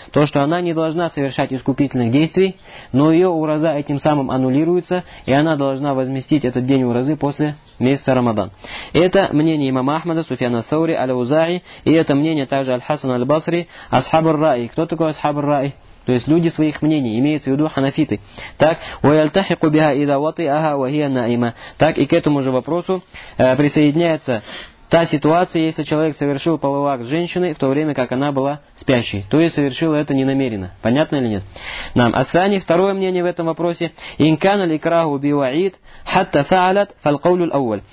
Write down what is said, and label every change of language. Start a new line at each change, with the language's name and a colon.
Russian: То, что она не должна совершать искупительных действий, но ее ураза этим самым аннулируется, и она должна возместить этот день уразы после месяца Рамадан. Это мнение имама Ахмада, Суфьяна Саури, Аль-Узаи. И это мнение также Аль-Хасан Аль-Басри, Асхабур Раи. Кто такой Асхабур Раи? То есть люди своих мнений, имеется в виду ханафиты. Так,
Arabic: وَيَلْتَحِقُ بِهَا إِذَا وَطِئَهَا وَهِيَ نَائِمَةً.
Russian: Так, и к этому же вопросу присоединяется та ситуация, если человек совершил половой акт с женщиной, в то время как она была спящей. То есть совершил это ненамеренно. Понятно или нет? Нам. Ассани, второе мнение в этом вопросе.
Arabic: إِنْ كَانَ الْإِكْرَاهُ بِوَعِيدْ حَتَّ فَعَلَتْ فَالْقَوْلُ الْأَوَّلُ.